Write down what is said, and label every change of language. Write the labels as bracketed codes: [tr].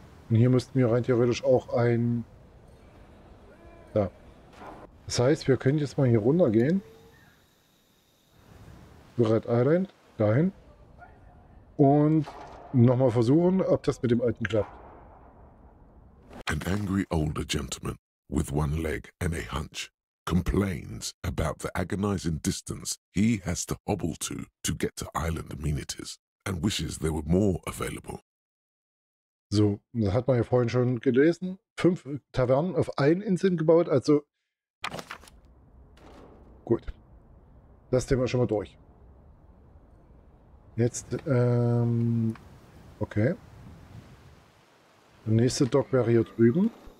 [de] Und hier müssten wir rein theoretisch auch ein. Das heißt, wir können jetzt mal hier runter gehen. Red Island, dahin. Und nochmal versuchen, ob das mit dem Alten klappt. [en] An angry older gentleman. With one leg and a hunch, complains about the agonizing distance he has to hobble to get to island amenities, and wishes there were more available. [de] So, das hat man ja vorhin schon gelesen. 5 Tavernen auf ein Inseln gebaut, also gut. Das Thema schon mal durch. Jetzt, okay. Der nächste Dock wäre hier drüben.